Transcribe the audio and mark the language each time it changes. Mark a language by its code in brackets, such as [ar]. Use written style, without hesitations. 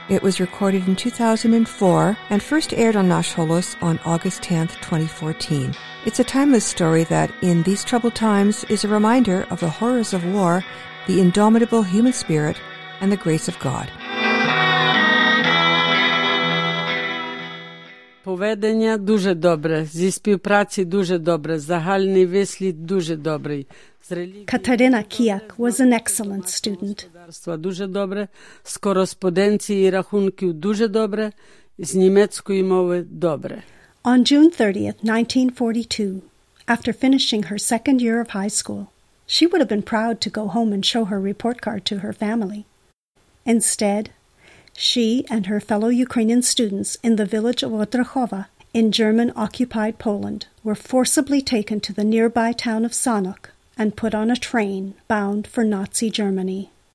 [en] It was recorded in 2004 and first aired on Nasholos on August 10, 2014. It's a timeless story that, in these troubled times, is a reminder of the horrors of war, the indomitable human spirit, and the grace of God. [uk] поведення дуже добре, зі співпраці дуже добре, загальний вислід дуже добрий. [en] Katarina Kijak was an excellent student. [uk] Дуже добре, з кореспонденції рахунків дуже добре, з німецької мови добре. [en] On June 30, 1942, after finishing her second year of high school, she would have been proud to go home and show her report card to her family. Instead, she and her fellow Ukrainian students in the village of Otrachowa in German-occupied Poland were forcibly taken to the nearby town of Sanok and put on a train bound for Nazi Germany.